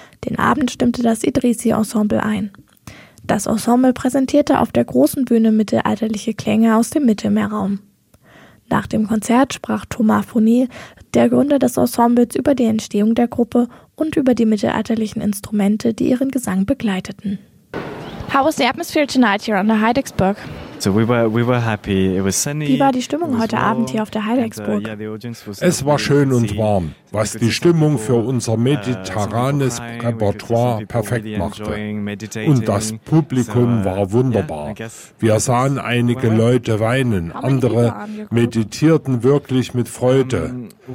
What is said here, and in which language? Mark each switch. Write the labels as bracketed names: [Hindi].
[German] Den Abend stimmte das Idrisi-Ensemble ein. Das Ensemble präsentierte auf der großen Bühne mittelalterliche Klänge aus dem Mittelmeerraum. Nach dem Konzert sprach Thomas Fournier, der Gründer des Ensembles, über die Entstehung der Gruppe und über die mittelalterlichen Instrumente, die ihren Gesang begleiteten. [English] How was the atmosphere tonight here on the Heidelberg? So we were happy. It was sunny. [German] Wie war die Stimmung heute Abend hier auf der Heidelberg? Es war schön und warm, was die Stimmung für unser mediterranes Repertoire perfekt machte. Und das Publikum war wunderbar. Wir sahen einige Leute weinen, andere meditierten wirklich mit Freude.